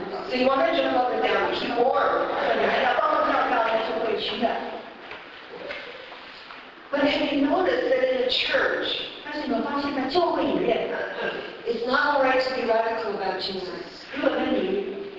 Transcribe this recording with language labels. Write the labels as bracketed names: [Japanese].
[English] So you want to jump up and down, keep warm. [Chinese] 对，你还要蹦蹦跳跳，那就会取暖。 [English] But have you noticed that in a church, [Chinese] 但是你们发现在教会里面, [English] it's not all right to be radical about Jesus.